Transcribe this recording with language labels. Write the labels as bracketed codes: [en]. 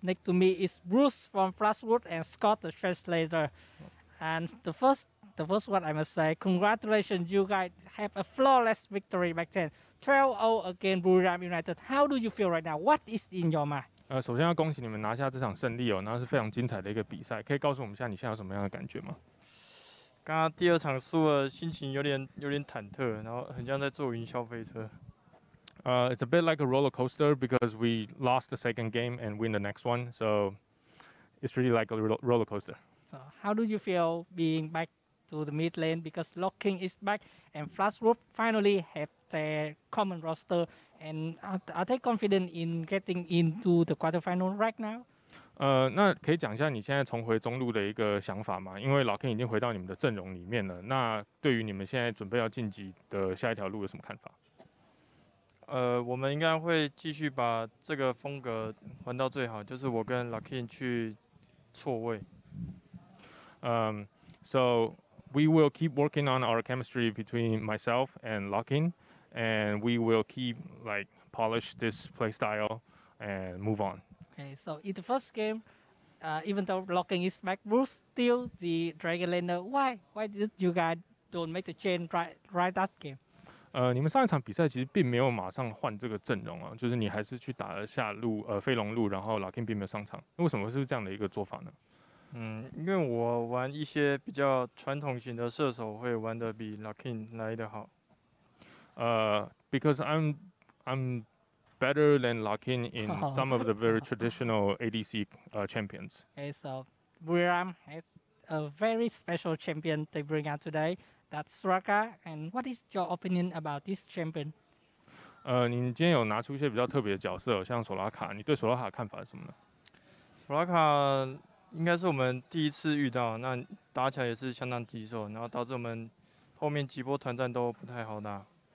[en] Next to me is Bruce from Flashwood and Scott, the translator. And the first one I must say, congratulations, you guys have a flawless victory back then. 12-0 against Buriram United. How do you feel right now? What is in your mind? [zh] 首先要恭喜你们拿下这场胜利哦，那是非常精彩的一个比赛。可以告诉我们一下你现在有什么样的感觉吗？刚刚第二场输了，心情有点忐忑，然后很像在坐云霄飞车。 [en] It's a bit like a roller coaster because we lost the second game and win the next one, so it's really like a roller coaster. So how do you feel being back to the mid lane because Locking is back and Flashwood finally have their common roster, and are they confident in getting into the quarterfinal right now? [zh] 那可以讲一下你现在重回中路的一个想法吗？因为Locking已经回到你们的阵容里面了，那对于你们现在准备要晋级的下一条路有什么看法？我们应该会继续把这个风格玩到最好，就是我跟 Lakin 去错位。 [en] So we will keep working on our chemistry between myself and Lakin, and we will keep like polish this play style and move on. Okay, so in the first game, even though Lakin is back, Bruce still the Dragon Laner. Why did you guys don't make the change right that game? [zh] 你们上一场比赛其实并没有马上换这个阵容啊，就是你还是去打了下路，飞龙路，然后老 King 并没有上场。为什么是这样的一个做法呢？因为我玩一些比较传统型的射手会玩得比老 King 来得好。 [en] Because I'm better than老 King in some of the very traditional ADC champions. Okay, so Buriram has a very special champion they bring out today. That's Raka, and what is your opinion about this champion? [zh] 你今天有拿出一些比较特别的角色，像索拉卡，你对索拉卡的看法是什么呢？索拉卡应该是我们第一次遇到，那打起来也是相当棘手，然后导致我们后面几波团战都不太好打。